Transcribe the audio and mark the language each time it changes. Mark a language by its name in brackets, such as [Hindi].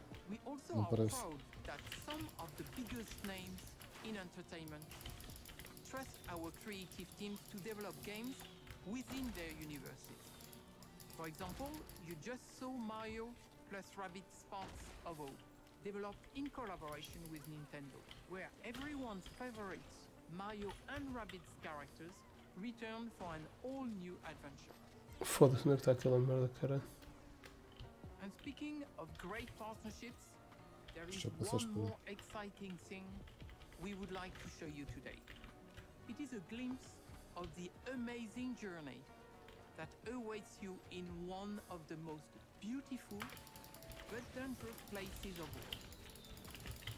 [English] We also are proud that some of the biggest names in entertainment trust our creative teams to develop games within their universes. For example, you just saw Mario plus Rabbit Sparks of Hope, developed in collaboration with Nintendo, where everyone's favorites, Mario and Rabbit's characters, return for an all-new adventure. [Portuguese] Foda-se, não é que está aquela merda, cara. [English] And speaking of great partnerships, there is one more exciting thing we would like to show you today. It is a glimpse of the amazing journey that awaits you in one of the most beautiful but dangerous places of all.